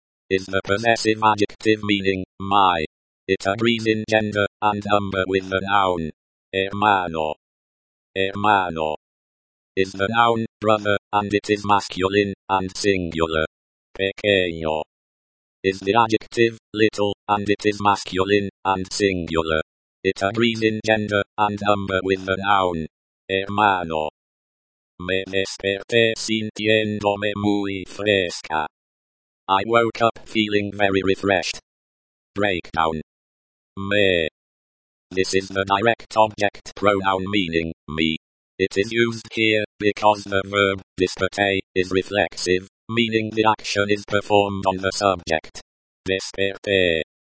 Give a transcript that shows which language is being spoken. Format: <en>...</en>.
<en>Is the possessive adjective meaning, my. It agrees in gender and number with the noun. Hermano. Hermano. Is the noun, brother, and it is masculine, and singular. Pequeño. Is the adjective, little, and it is masculine, and singular. It agrees in gender, and number with the noun.</en> <es>Hermano. Me desperté sintiéndome muy fresca.</es> <en>I woke up feeling very refreshed. Breakdown. Me. This is the direct object pronoun meaning, me. It is used here, because the verb, desperté, is reflexive, meaning the action is performed on the subject. Desperté.</en>